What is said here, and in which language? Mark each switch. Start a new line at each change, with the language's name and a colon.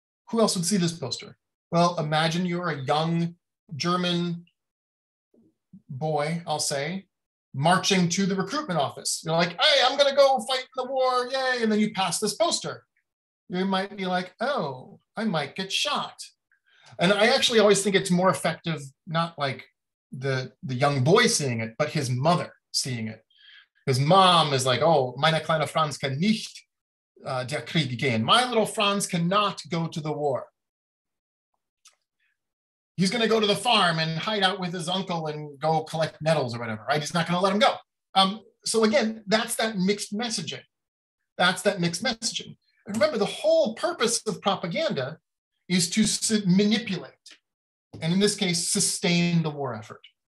English: Who else would see this poster? Well, imagine you're a young German boy, I'll say, marching to the recruitment office. You're like, hey, I'm going to go fight the war. Yay. And then you pass this poster. You might be like, oh, I might get shot. And I actually always think it's more effective, not like the young boy seeing it, but his mother seeing it. His mom is like, oh,
German: meine kleine Franz kann nicht der Krieg gehen.
English: My little Franz cannot go to the war. He's going to go to the farm and hide out with his uncle and go collect nettles or whatever, right? He's not going to let him go. So again, that's that mixed messaging. That's that mixed messaging. And remember, the whole purpose of propaganda is to manipulate, and in this case, sustain the war effort.